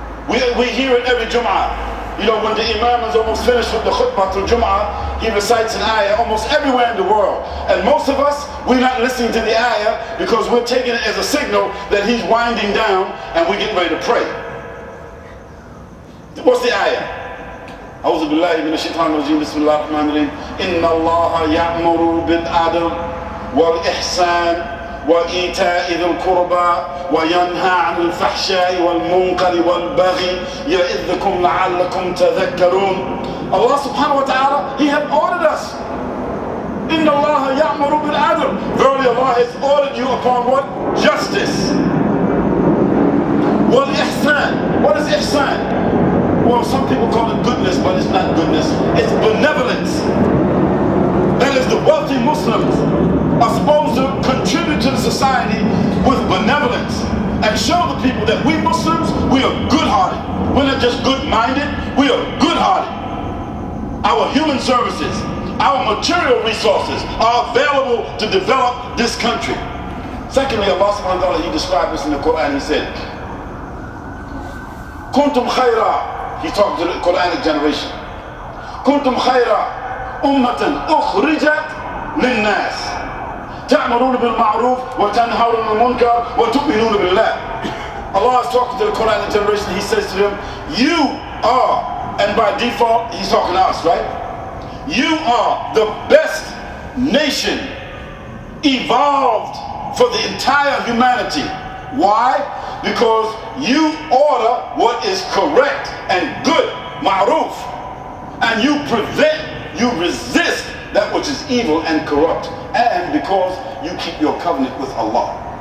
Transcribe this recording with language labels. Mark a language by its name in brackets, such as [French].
[English] We hear it every Jum'ah. You know, when the Imam is almost finished with the khutbah through Jum'ah, he recites an ayah almost everywhere in the world. And most of us, we're not listening to the ayah because we're taking it as a signal that he's winding down and we're getting ready to pray. What's the ayah? [Arabic] أعوذ بالله من الشيطان الرجيم بسم الله الرحمن الرحيم إن الله يأمر بالعدل والإحسان وإيتاء ذي القربى وينهى عن الفحشاء والمنكر والبغي يعظكم لعلكم تذكرون. [English] الله سبحانه وتعالى He has ordered us. [Arabic] إن الله يأمر بالعدل. [English] Verily Allah has ordered you upon what? Justice. والإحسان. What is إحسان? Well, some people call it goodness, but it's not goodness. It's benevolence. That is, the wealthy Muslims are supposed to contribute to the society with benevolence and show the people that we Muslims, we are good-hearted. We're not just good-minded, we are good-hearted. Our human services, our material resources are available to develop this country. Secondly, Allah subhanahu wa ta'ala, He described this in the Quran, He said, Kuntum khayra. He's talking to the Quranic generation. [Arabic] كُنْتُمْ خَيْرَ أُمَّةً أُخْرِجَتْ لِلنَّاسِ تَعْمَرُونَ بِالْمَعْرُوفِ وَتَنْهَرُونَ الْمُنْكَرِ وَتُؤْمِنُونَ بِاللَّهِ Allah is talking to the Quranic generation. [English] He says to them, you are, and by default, he's talking to us, right? You are the best nation evolved for the entire humanity. Why? Because you order what is correct and good, ma'ruf, and you prevent, you resist that which is evil and corrupt, and because you keep your covenant with Allah.